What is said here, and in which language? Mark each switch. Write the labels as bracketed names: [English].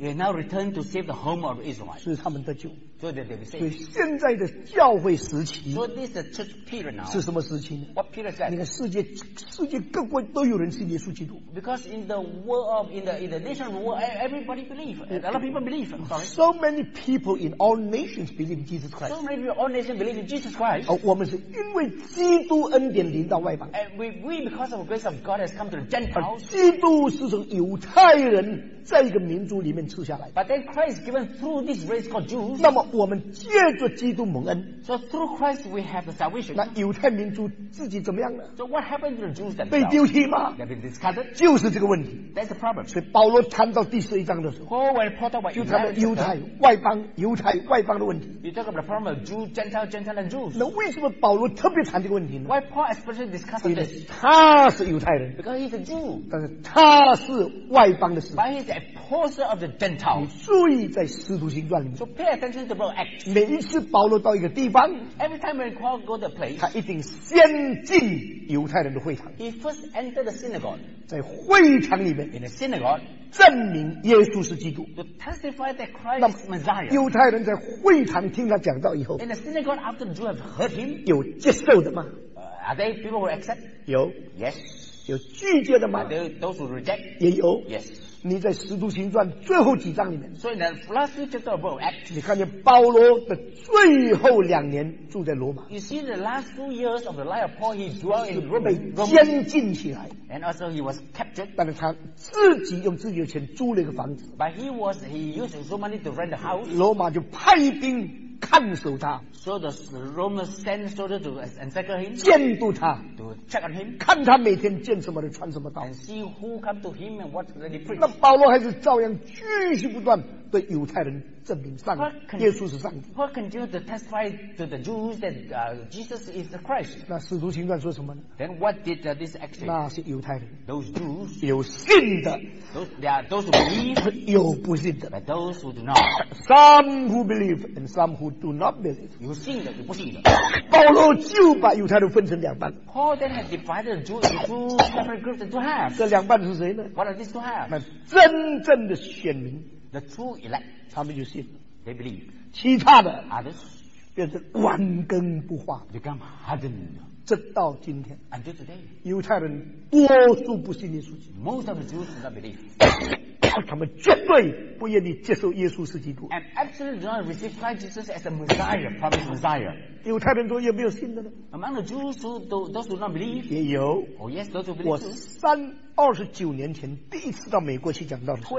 [English] He now returned to save the home of Israel. [Chinese] 是他们得救。 [English] So that they will be saved. [Chinese] 所以现在的教会时期。 [English] So this is the church period now. [Chinese] 是什么时期呢 [English] ？What period is that? [Chinese] 你看世界各国都有人信耶稣基督。 [English] Because in the world of in the nation world, everybody believe. A lot of people believe. So many people in all nations believe in Jesus Christ. So many people in all nations believe in Jesus Christ. [Chinese] 我们是因为基督恩典临到外邦。 [English] And we because of grace of God has come to the Gentiles. [Chinese] 基督是从犹太人在一个民族里面赐下来。 [English] But then Christ given through this race called Jews. [Chinese] 那么我们借着基督蒙恩。 [English] So through Christ we have the salvation. [Chinese] 那犹太民族自己怎么样呢？ [English] So what happened to the Jews then? [Chinese] 被丢弃吗？ [English] They've been discarded. [Chinese] 就是这个问题。 [English] That's the problem. [Chinese] 所以保罗谈到第十一章的时候。 [English] Oh, when Paul talked about [Chinese] 就谈到犹太外邦，犹太外邦的问题。 [English] You talk about the problem of Jews, Gentiles, Gentiles and Jews. [Chinese] 那为什么保罗特别谈这个问题呢？ [English] Why Paul especially discussed this? [Chinese] 他是犹太人。 [English] Because he's a Jew. [Chinese] 但是他是外邦的使徒。 [English] Apostle of the Gentiles. [Chinese] 你注意在使徒行传里面。 [English] So pay attention to the book of Acts. [Chinese] 每一次保罗到一个地方， [English] every time when Paul goes to a place, [Chinese] 他一定先进犹太人的会堂。 [English] He first entered the synagogue. [Chinese] 在会堂里面， [English] in the synagogue, [Chinese] 证明耶稣是基督。 [English] To testify that Christ is Messiah. [Chinese] 犹太人在会堂听他讲道以后， [English] in the synagogue after the Jews have heard him, [Chinese] 有接受的吗？ [English] Are they people who accept? [Chinese] 有。 [English] Yes. [Chinese] 有拒绝的吗？ [English] Are they those who reject? [Chinese] 也有。 [English] Yes. [Chinese] 你在使徒行传最后几章里面，所以呢 [English] last few chapter of Acts, [Chinese] 你看见保罗的最后两年住在罗马。 [English] You see the last few years of the life of Paul, he dwelt in Rome. [Chinese] 被监禁起来。 [English] And also he was captured. [Chinese] 但是他自己用自己的钱租了一个房子。 [English] But he used his own money to rent a house. [Chinese] 罗马就派兵看守他。 [English] So the Romans sent soldiers to encircle him. [Chinese] 监督他。 [English] To check on him. [Chinese] 看他每天见什么人穿什么道。 [English] And see who come to him and what they preach. [Chinese] 那保罗还是照样继续不断对犹太人证明上帝，耶稣是上帝。 [English] Who continued to testify to the Jews that Jesus is the Christ? [Chinese] 那使徒行传说什么呢？ [English] Then what did this act? [Chinese] 那是犹太人。 [English] Those Jews [Chinese] 有信的。 [English] Those who believe [Chinese] 有不信的。 [English] But those who do not. Some who believe and some who do not believe. [Chinese] 有信的，有不信的。保罗就把犹太人分成两半。 [English] Paul then had divided the Jews into two separate groups and two halves. [Chinese] 这两半是谁呢？ [English] What are these two halves? [Chinese] 那真正的选民。 [English] The true elect, [Chinese] 他们就信 [English] they believe. [Chinese] 其他的 [English] others, [Chinese] 变成顽根不化 [English] become hardened. [Chinese] 直到今天 [English] until today, [Chinese] 犹太人多数不信耶稣基督 [English] most of the Jews do not believe. [Chinese] 他们绝对不愿意接受耶稣是基督 [English] and absolutely do not receive Christ Jesus as a Messiah, promised Messiah. [Chinese] 犹太人都有没有信的呢 [English] among the Jews those do not believe, [Chinese] 也有 [English] oh yes, those who believe. [Chinese] 我三二十九年前第一次到美国去讲道的时候